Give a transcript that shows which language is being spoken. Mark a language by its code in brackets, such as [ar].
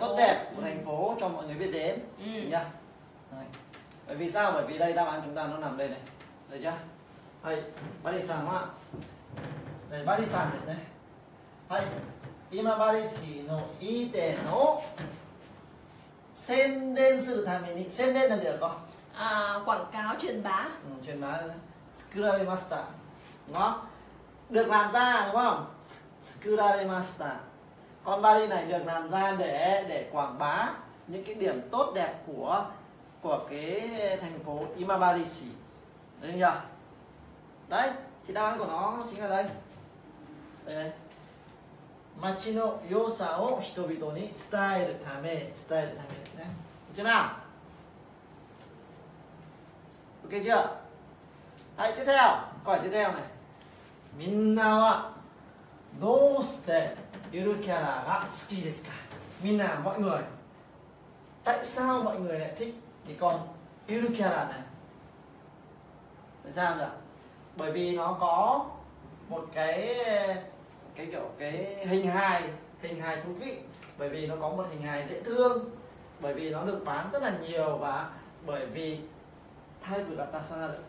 [vi] Điều tốt đẹp của thành phố cho mọi người biết đến. Nhá. Bởi vì sao? Bởi vì đây đáp án chúng ta nó nằm đây này. Được chưa? Hay Barisan ạ. Đây Barisan [ja] ですね. [vi] Hay [ja] 今治市のいい点を宣伝するために宣伝なんて言うか? [vi] À, quảng cáo truyền bá. Truyền bá. [ja] Skurarimasta. [vi] Đúng không? Được làm ra đúng không? [ja] Skurarimasta. [vi] Con Bali này được làm ra để quảng bá những cái điểm tốt đẹp của cái thành phố Imabari-shi. Đấy nhỉ? Đấy, thì đáp án của nó chính là đây. Đây này. [ja] Machi no yosa wo hitobito ni tsutaeru tame. [vi] Được chưa nào? Ok chưa? Đấy, tiếp theo. Câu tiếp theo này. [ja] みんなはどうしてゆるキャラが好きですか。みんな、 [vi] mọi người、 tại sao mọi người lại thích cái con ゆるキャラ này? Tại sao nhỉ? Bởi vì nó có một cái kiểu cái hình hài thú vị. Bởi vì nó có một hình hài dễ thương. Bởi vì nó được bán rất là nhiều và bởi vì thay vì là ta sao nhỉ?